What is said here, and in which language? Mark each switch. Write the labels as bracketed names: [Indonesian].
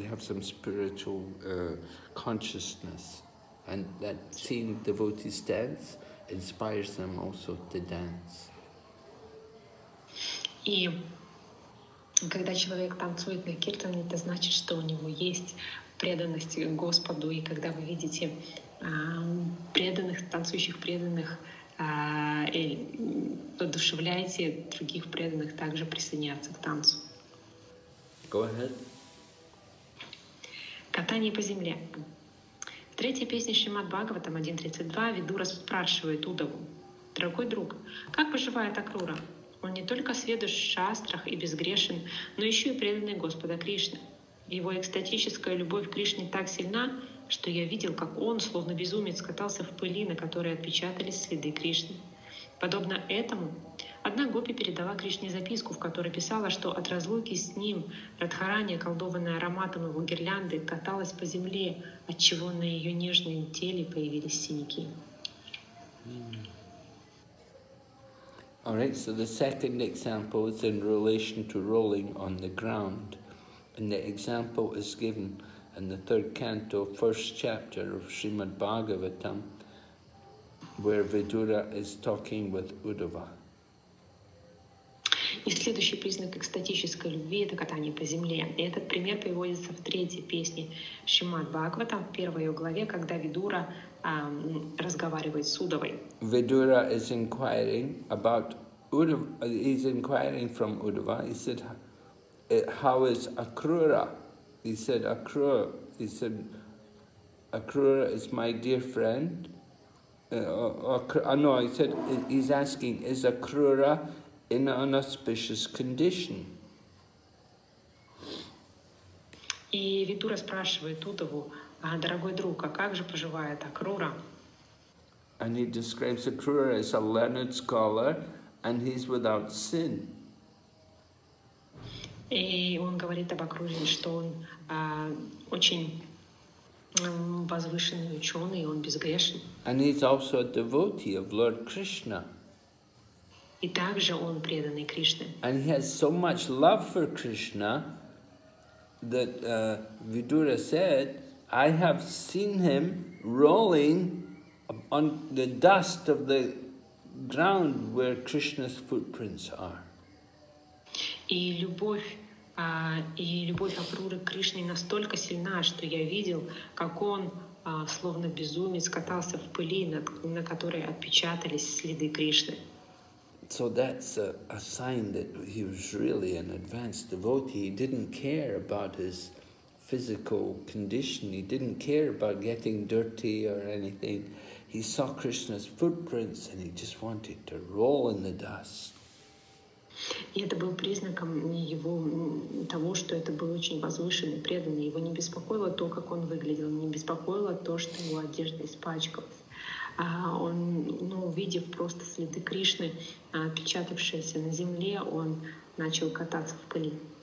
[English] They have some spiritual consciousness, and that seeing devotees dance inspires them also to dance. [Russian] И когда человек танцует на киртане, это значит, что у него есть преданность Господу. И когда вы видите преданных, танцующих преданных, воодушевляете других преданных также присоединяться к танцу. [English] Go ahead. [Russian] Катание по земле. В третьей песне Шримад-Бхагаватам 1.32 Видура спрашивает Удаву: «Дорогой друг, как поживает Акрура? Он не только сведущ в шастрах и безгрешен, но еще и преданный Господа Кришны. Его экстатическая любовь к Кришне так сильна, что я видел, как он, словно безумец, катался в пыли, на которой отпечатались следы Кришны. Подобно этому, одна гопи передала Кришне записку, в которой писала, что от разлуки с ним Радхарани, колдованная ароматом его гирлянды, каталась по земле, отчего на ее нежном теле появились синяки. [English] All right, so the second example is in relation to rolling on the ground. And the example is given in the third canto, first chapter of Srimad Bhagavatam, where Vidura is talking with Uddhava. [Russian] И следующий признак экстатической любви – это катание по земле. И этот пример приводится в третьей песне Шримад Бхагаватам, в первой ее главе, когда Видура разговаривает с Удавой. [English] Vidura is inquiring about Uddhava. He's inquiring from Uddhava. He said, how is Akrura? He said, Akrura is my dear friend. He's asking, is Akrura in an auspicious condition? [Russian] И Видура спрашивает Удаву, дорогой друг, а как же поживает Акрура? [English] And he describes Акрура as a learned scholar, and he's without sin. [Russian] И он говорит об Акруре, что он очень возвышенный ученый, он безгрешен. [English] And he's also a devotee of Lord Krishna. [Russian] И также он преданный Кришне. [English] And he has so much love for Krishna that Vidura said, I have seen him rolling on the dust of the ground where Krishna's footprints are. [Russian] И любовь Акруры к Кришне настолько сильна, что я видел, как он словно безумец катался в пыли, на которой отпечатались следы Кришны. [English] So that's a sign that he was really an advanced devotee. He didn't care about his physical condition. He didn't care about getting dirty or anything. He saw Krishna's footprints and he just wanted to roll in the dust. [Russian] И это был признаком его того, что это был очень возвышенный, преданный. Его не беспокоило то, как он выглядел, не беспокоило то, что его одежда испачкалась. Он, увидев просто следы Кришны, отпечатавшиеся на земле, он начал кататься в пыли.